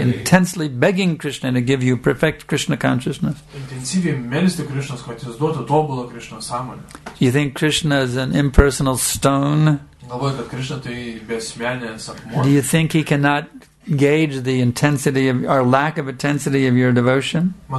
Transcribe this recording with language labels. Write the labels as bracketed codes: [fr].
[en] Intensely begging Krishna to give you perfect Krishna consciousness. [lt] Intensyviai melisti Krishnas, kad jis duotų tobulą Krishna sąmonę. [en] You think Krishna is an impersonal stone? [lt] Galvoju, kad Krishna tai besmenės akmuo. [en] Do you think he cannot gauge the intensity of or lack of intensity of your devotion?